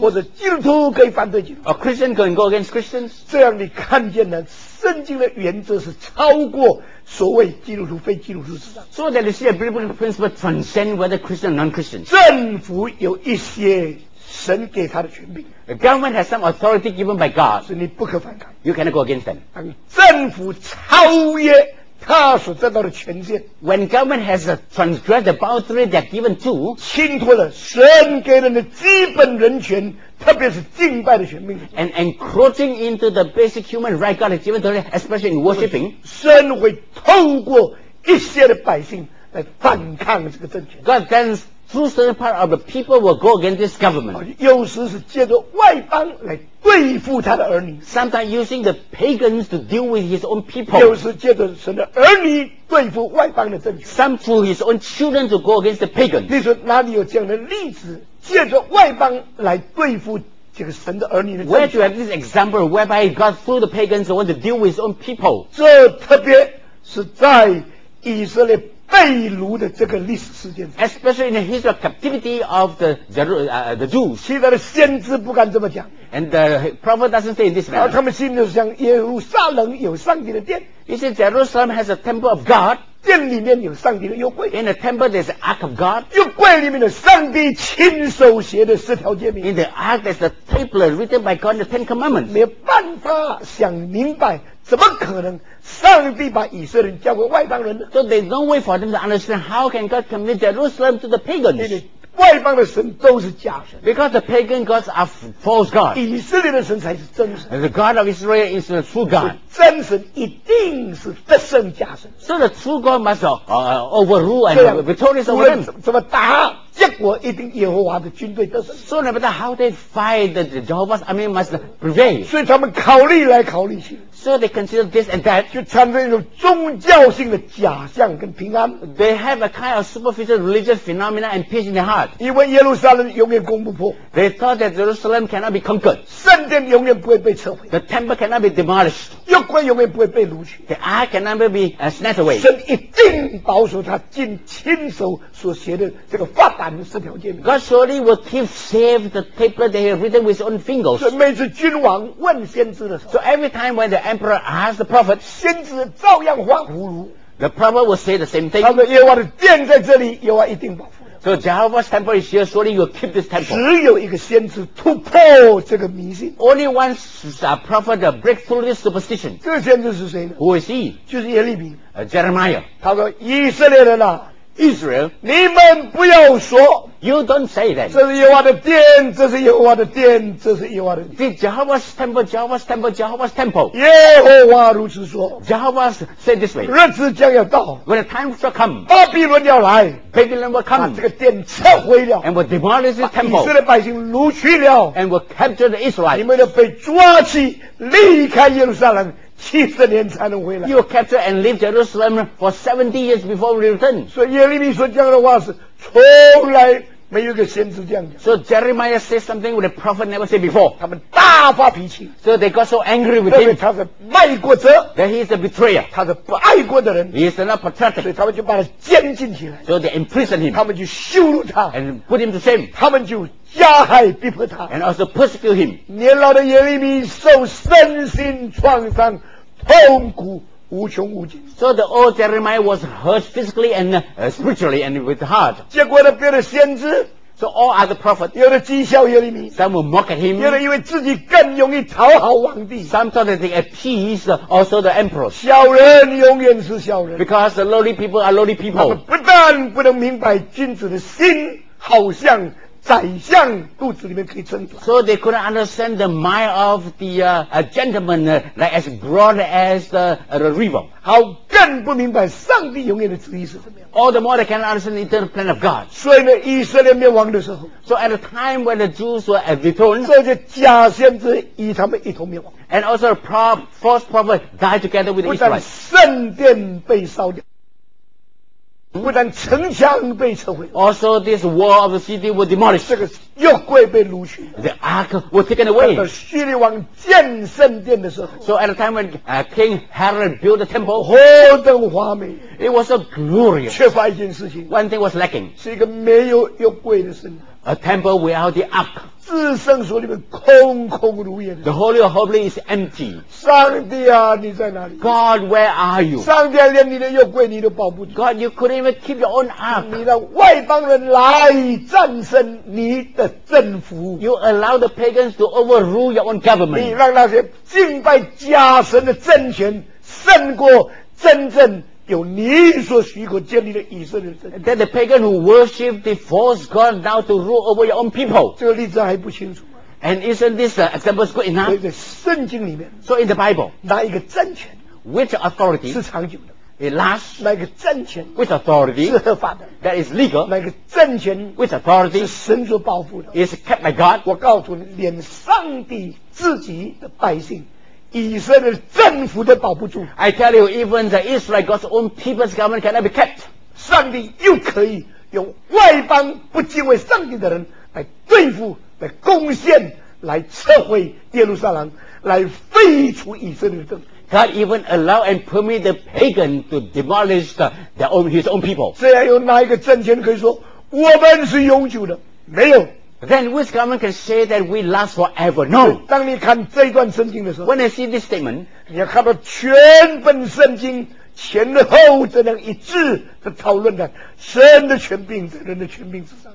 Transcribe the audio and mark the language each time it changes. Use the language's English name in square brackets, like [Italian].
[Chinese] 或者基督徒可以反对基督徒。 [English] Or Christian can go against Christians. [Chinese] 这样你看见了，圣经的原则是超过所谓基督徒非基督徒之上。 [English] So that you see a biblical principle transcend whether Christian or non-Christian. [Chinese] 政府有一些神给他的权柄。 [English] The government has some authority given by God. [Chinese] 所以你不可反抗。 [English] You cannot go against them. [Chinese] 政府超越他所得到的权限。 [English] When government has transgressed the boundary they are given to, [Chinese] 侵脱了神给人的基本人权，特别是敬拜的权柄。 [English] And encroaching into the basic human right God has given to them, especially in worshiping, [Chinese] 神会透过一些的百姓来反抗这个政权。 [English] God then through certain part of the people will go against this government. [Chinese] 有时是借着外邦来对付他的儿女。 [English] Sometimes using the pagans to deal with his own people. [Chinese] 有时借着神的儿女对付外邦的政权。 [English] Some through his own children to go against the pagans. [Chinese] 你说哪里有这样的例子，借着外邦来对付这个神的儿女的政权？ [English] Where do you have this example whereby God through the pagans want to deal with his own people? [Chinese] 这特别是在以色列被掳的这个历史事件， [English] especially in the history of captivity of the Jews. [Chinese] 其他的先知不敢这么讲， [English] and the prophet doesn't say in this manner. [Chinese] 他们心里就是讲耶路撒冷有上帝的殿， [English] he said Jerusalem has a temple of God. [Chinese] 殿里面有上帝的约柜， [English] in the temple there's the ark of God. [Chinese] 约柜里面的上帝亲手写的十条诫命， [English] in the ark there's the tablet written by God the Ten Commandments. [Chinese] 没有办法想明白怎么可能上帝把以色列人交给外邦人呢？ [English] So there's no way for them to understand how can God commit Jerusalem to the pagans. [Chinese] 外邦的神都是假神。 [English] Because the pagan gods are false gods. [Chinese] 以色列的神才是真神。 [English] And the God of Israel is the true God. [Chinese] 真神一定是得胜假神。 [English] So the true God must overrule and victorious over them. [Chinese] 怎么打结果一定耶和华的军队得胜。 [English] So no matter how they fight the Jehovah's army must prevail. [Chinese] 所以他们考虑来考虑去。 [English] So they consider this and that. [Chinese] 就产生一种宗教性的假象跟平安。 [English] They have a kind of superficial religious phenomena and peace in their heart. [Chinese] 以为耶路撒冷永远攻不破。 [English] They thought that Jerusalem cannot be conquered. [Chinese] 圣殿永远不会被摧毁。 [English] The temple cannot be demolished. [Chinese] 约柜永远不会被掳去。 [English] The ark cannot be snatched away. [Chinese] 神一定保守他亲手所写的这个发达的四条诫命。 [English] God surely will keep safe the tablet they have written with his own fingers. [Chinese] 所以每次君王问先知的时候。 [English] So every time when the emperor asked the prophet, [Chinese] 先知照样画葫芦。 [English] The prophet will say the same thing. [Chinese] 他说耶和华的殿在这里，耶和华一定保护。 [English] So Jehovah's temple is here, surely you will keep this temple. [Chinese] 只有一个先知突破这个迷信。 [English] Only one prophet break through this superstition. [Chinese] 这个先知是谁呢？ [English] Who is he? [Chinese] 就是耶利米。 [English] Jeremiah. [Chinese] 他说以色列人啊， [English] Israel, [Chinese] 你们不要说。 [English] You don't say that. [Chinese] 这是耶和华的殿，这是耶和华的殿，这是耶和华的殿。 [English] The Jehovah's temple, Jehovah's temple, Jehovah's temple. [Chinese] 耶和华如此说。 [English] Jehovah said this way. [Chinese] 日子将要到。 [English] When the time shall come. [Chinese] 巴比伦要来。 [English] Babylon will come. [Chinese] 把这个殿拆毁了。 [English] And will demolish this temple. [Chinese] 把以色列百姓掳去了。 [English] And will capture the Israelites. [Chinese] 你们要被抓去，离开耶路撒冷。 70年才能回来。 [English] You capture and leave Jerusalem for 70 years before we return. [Chinese] 所以耶利米说这样的话是从来没有一个先知这样讲。 [English] So Jeremiah said something the prophet never said before. [Chinese] 他们大发脾气。 [English] So they got so angry with him. [Chinese] 因为他是卖国者。 [English] That he is a betrayer. [Chinese] 他是不爱国的人。 [English] He is not patriotic. [Chinese] 所以他们就把他监禁起来。 [English] So they imprisoned him. [Chinese] 他们就羞辱他。 [English] And put him to shame. [Chinese] 他们就加害逼迫他。 [English] And also persecute him. [Chinese] 年老的耶利米受身心创伤，痛苦无穷无尽。 [English] So the old Jeremiah was hurt physically and spiritually and with heart. [Chinese] 结果了别的先知， [English] So all other prophets, [Chinese] 有的讥笑耶利米， [English] Some will mock at him. [Chinese] 有的因为自己更容易讨好皇帝， [English] Some thought that they appease also the emperor. [Chinese] 小人永远是小人， [English] Because the lowly people are lowly people. [Chinese] 他们不但不能明白君子的心好像宰相肚子里面可以撑住。 [English] So they couldn't understand the mind of the gentleman like as broad as the river. [Chinese] 好，更不明白上帝永远的旨意是什么样。 [English] All the more they cannot understand the eternal plan of God. [Chinese] 所以呢，以色列灭亡的时候。 [English] So at the time when the Jews were at the throne. [Chinese] 这些假先知与他们一同灭亡。 [English] And also a false prophet died together with the Israelites. [Chinese] 不但圣殿被烧掉。不但城墙被摧毁， [English] also this wall of the city was demolished. [Chinese] 这个约柜被掳去， [English] the ark was taken away. [Chinese] 当叙利亚王建圣殿的时候， [English] so at the time when King Herod built the temple, [Chinese] 何等华美！ [English] It was so glorious. [Chinese] 缺乏一件事情， [English] one thing was lacking. [Chinese] 是一个没有约柜的圣殿， [English] a temple without the ark. [Chinese] 至圣所里面空空如也。 [English] The Holy of Holies is empty. [Chinese] 上帝啊，你在哪里？ [English] God, where are you? [Chinese] 上帝啊，连你的约柜你都保不住。 [English] God, you couldn't even keep your own ark. [Chinese] 你让外邦人来战胜你的政府。 [English] You allow the pagans to overrule your own government. [Chinese] 你让那些敬拜假神的政权胜过真正有你所许可建立的以色列神。 [English] That the pagan who worship the false god now to rule over your own people. [Chinese] 这个例子还不清楚。 [English] And isn't this example good enough? [Chinese] 所以在圣经里面。 [English] So in the Bible. [Chinese] 哪一个政权 [English] ？Which authority? [Chinese] 是长久的。 [English] It lasts. [Chinese] 哪一个政权 [English] ？Which authority? [Chinese] 是合法的。 [English] That is legal. [Chinese] 哪一个政权 [English] ？Which authority? [Chinese] 是神所保护的。 [English] Is kept by God. [Chinese] 我告诉你，连上帝自己的百姓。以色列政府都保不住。 [English] I tell you, even the Israel God's own people's government cannot be kept. [Chinese] 上帝又可以用外邦不敬畏上帝的人来对付、来攻陷、来摧毁耶路撒冷、来废除以色列的政府。 [English] God even allow and permit the pagan to demolish their own his own people. [Chinese] 这样有哪一个政权可以说我们是永久的？没有。 [English] Then which government can say that we last forever? No. [Chinese] 当你看这一段圣经的时候 [English] ，When I see this statement， [Chinese] 你要看到全本圣经前后这样一致的讨论的神的权柄在人的权柄之上。